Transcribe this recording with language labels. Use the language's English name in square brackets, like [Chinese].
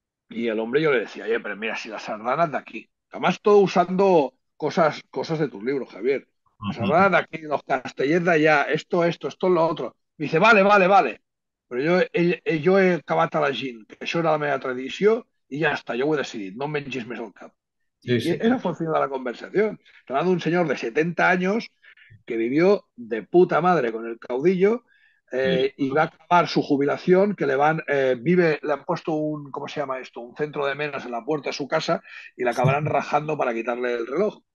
[Spanish] Y el hombre yo le decía, oye, pero mira, si la sardana es de aquí. Además, todo usando cosas de tus libros, Javier. La sardana es de aquí, los castellers de allá, esto, lo otro. Me dice, vale. Pero yo [Catalan] he acabat a la gent, que això era la meva tradició, i ja està, jo ho he decidit, no em mengis més el cap. Sí, I sí. [Spanish] esa fue el final de la conversación. Hablando un señor de 70 años, que vivió de puta madre con el caudillo Sí. y va a acabar su jubilación, que le han puesto un, ¿cómo se llama esto? Un centro de menas en la puerta de su casa y la acabarán rajando para quitarle el reloj.